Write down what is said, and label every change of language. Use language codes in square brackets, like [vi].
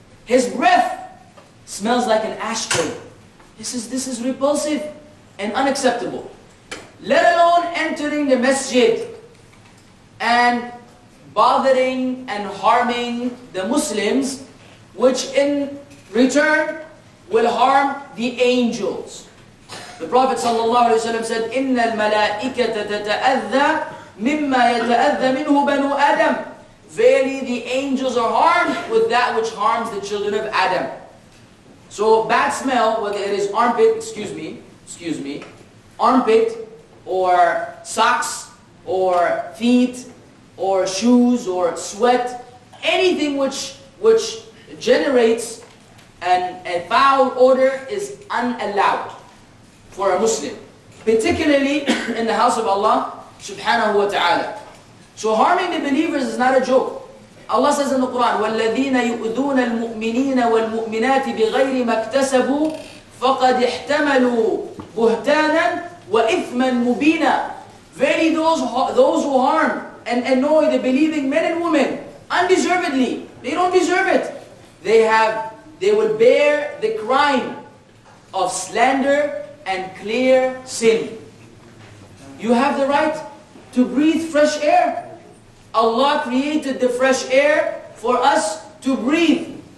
[en] His breath smells like an ashtray. This is repulsive and unacceptable. Let alone entering the masjid and bothering and harming the Muslims, which in return will harm the angels. The Prophet ﷺ said, [ar] إِنَّ الْمَلَائِكَةَ تَتَأَذَّى مِمَّا يَتَأَذَّى مِنْهُ بَنُوا أَدَمْ. [en] Verily, the angels are harmed with that which harms the children of Adam. So bad smell, whether it is armpit, excuse me, armpit, or socks, or feet, or shoes, or sweat, anything which generates a foul odor is unallowed for a Muslim, particularly in the house of Allah subhanahu wa ta'ala. So harming the believers is not a joke. Allah says in the Quran, [ar] وَالَّذِينَ يُؤْذُونَ الْمُؤْمِنِينَ وَالْمُؤْمِنَاتِ بِغَيْرِ مَا اكْتَسَبُوا فَقَدْ احْتَمَلُوا بُهْتَانًا وَإِثْمًا مُبِينًا. [en] Verily those who harm and annoy the believing men and women undeservedly, they don't deserve it. They will bear the crime of slander and clear sin. You have the right to breathe fresh air. Allah created the fresh air for us to breathe.